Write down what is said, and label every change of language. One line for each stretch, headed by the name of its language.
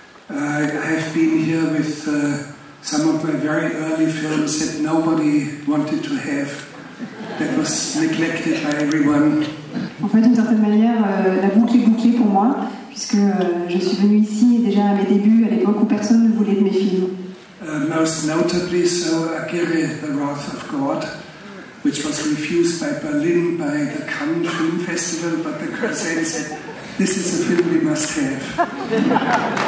English: I have been here with some of my very early films that nobody wanted to have, that was neglected by everyone.
French: En fait, d'une certaine manière, la boucle est bouclée pour moi, puisque je suis venue ici et déjà à mes débuts, à l'époque où personne ne voulait de mes films.
English: Most notably, so Aguirre, The Wrath of God, which was refused by Berlin, by the Cannes Film Festival, but the Crescent said, this is a film we must have.